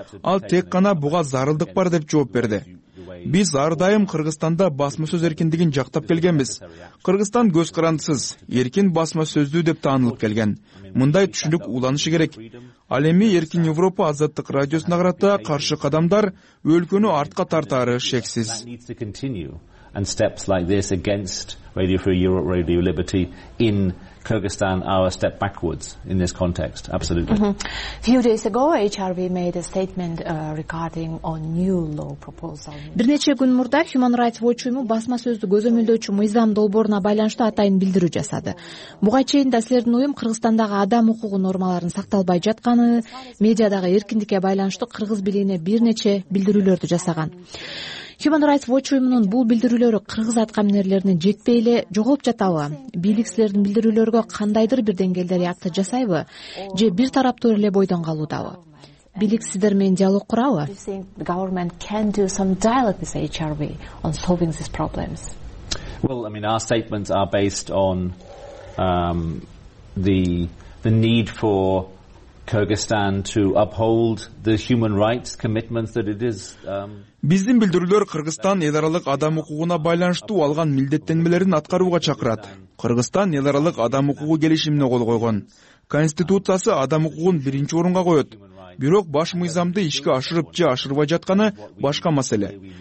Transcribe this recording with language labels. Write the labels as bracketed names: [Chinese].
[Kyrgyz] Ал тек гана буга зарылдык бар деп жооп берди. Биз ар дайым Кыргызстанда басма сөз эркиндигин жактап келгенбиз. Кыргызстан көз карандысыз, эркин басма сөздүү деп таанылып келген. Мындай түшүнүк уланышы керек. Ал эми Эркин Европа Азаттык радиосуна карата каршы кадамдар өлкөнү артка тартары шексиз. [English] And steps like this against Radio Free Europe, Radio Liberty in Kyrgyzstan are a step backwards in this context, absolutely. Mm-hmm. Few days ago, HRV made a statement regarding a new law proposal. [Kyrgyz] Бир нече күн мурда Human Rights Watch уюму басма сөздү көзөмөлдөөчү мыйзам долбооруна байланыштуу атайын билдирүү жасады. Буга чейин да силердин уюм Кыргызстандагы адам укугу нормаларын сакталбай жатканы, медиадагы эркиндикке байланыштуу кыргыз билигине бир нече билдирүүлөрдү жасаган. Human Rights Watch уюмунун бул билдирүүлөрү кыргыз аткаминерлеринин жетпей эле жоголуп жатабы? Бийлик силердин билдирүүлөргө кандайдыр бир деңгээлде реакция жасайбы? Же бир тараптуу эле бойдон калуудабы? Бийлик силер менен диалог курабы? [English] The government can do some dialogue with HRV on solving these problems. Well, I mean, our statements are based on the need for Kyrgyzstan to uphold the human rights commitments that it is [Kyrgyz] Биздин билдирүүлөр Кыргызстан эл аралык адам укугуна байланыштуу алган милдеттенмелерин аткарууга чакырат. Кыргызстан эл аралык адам укугу келишимине кол койгон. Конституциясы адам укугун биринчи орунга коет. Бирок баш мыйзамды ишке ашырып же ашырбай жатканы башка маселе.